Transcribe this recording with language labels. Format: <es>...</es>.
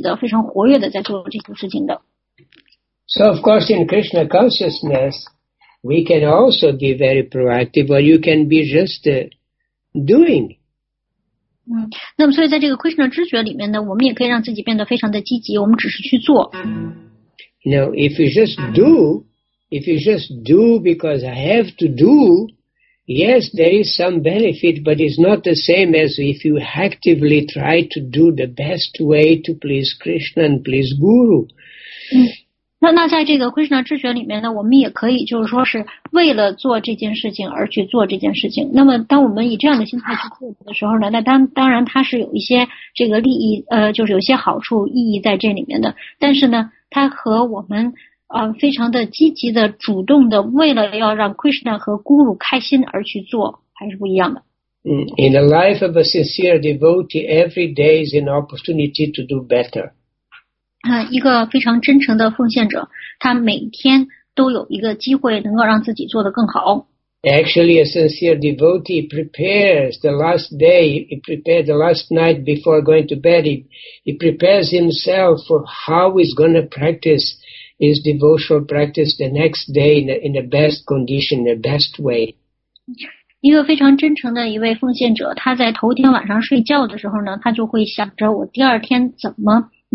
<zh>那么就是有很多人呢，他们是真的非常的积极的在从事着一些活动，能够改善他们的家庭、国家，还有这个社团，乃至于整个人类社会的这个生活的这个状况。那所以他们是非常积极的，非常活跃的在做这些事情的。</zh> <en>So of course, in Krishna consciousness, we can also be very proactive, or you can be just doing.</en> <zh>那么所以在这个 Krishna 知觉里面呢，我们也可以让自己变得非常的积极，我们只是去做。</zh> <en>Now, if you just do because I have to do, yes, there is some benefit, but it's not the same as if you actively try to do the best way to please Krishna and please Guru.</en> <zh>那在这个 Krishna 知觉里面呢，我们也可以就是说是为了做这件事情而去做这件事情。那么当我们以这样的心态去做的时候呢，那当然它是有一些这个利益，就是有些好处意义在这里面的。但是呢，它和我们非常的积极的主动的为了要让 Krishna 和 Guru 开心而去做，还是不一样的。</zh> <en>In the life of a sincere devotee, every day is an opportunity to do better.</en> <zh>一个非常真诚的奉献者，他每天都有一个机会能够让自己做得更好。</zh> <en>Actually, a sincere devotee prepares the last day, he prepares the last night before going to bed. He prepares himself for how he's going to practice his devotional practice the next day in the best condition, the best way.</en> <zh>一个非常真诚的一位奉献者，他在头天晚上睡觉的时候呢，他就会想着我第二天怎么。</zh>